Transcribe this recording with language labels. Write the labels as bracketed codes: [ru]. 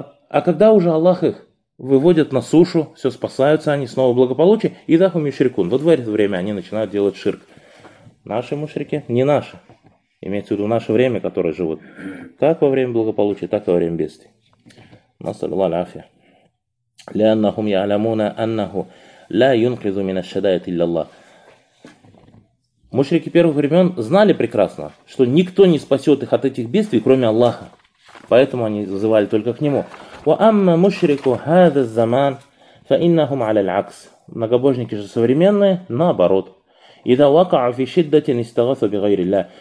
[ru] А когда уже Аллах их выводит на сушу, все, спасаются они, снова благополучие, и даху мишрикун. Вот в это время они начинают делать ширк. Наши мушрики, не наши. Имеется в виду наше время, которое живут. Как во время благополучия, так и во время бедствий. Насаллаху аляфия. [ar] لأنهم يعلمون أنه لا ينقذ من الشدائد إلا الله. [ru] Мушрики первых времен знали прекрасно, что никто не спасет их от этих бедствий, кроме Аллаха. Поэтому они взывали только к Нему. [ar] وَأَمَّا مُشْرِكُ هَذَا الزَّمَانِ فَإِنَّهُمْ عَلَى الْعَكْسِ. [ru] Многобожники же современные, наоборот. [ar] إِذَا وَقَعُوا فِي شِدَّةٍ اسْتَغَاثُوا بِغَيْرِ اللَّهِ.